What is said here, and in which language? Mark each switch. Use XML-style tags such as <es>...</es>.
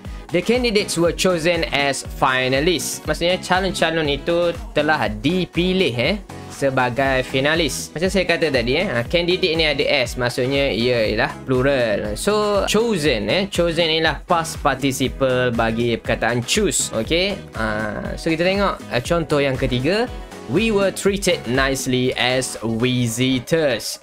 <en>The candidates were chosen as finalists.</en> <ms>Maksudnya calon-calon itu telah dipilih sebagai finalis. Macam saya kata tadi, candidate ni ada S, maksudnya ia ialah plural. So chosen, chosen ialah past participle bagi perkataan choose. Okay, so kita tengok contoh yang ketiga.</ms> <en>We were treated nicely as visitors.</en>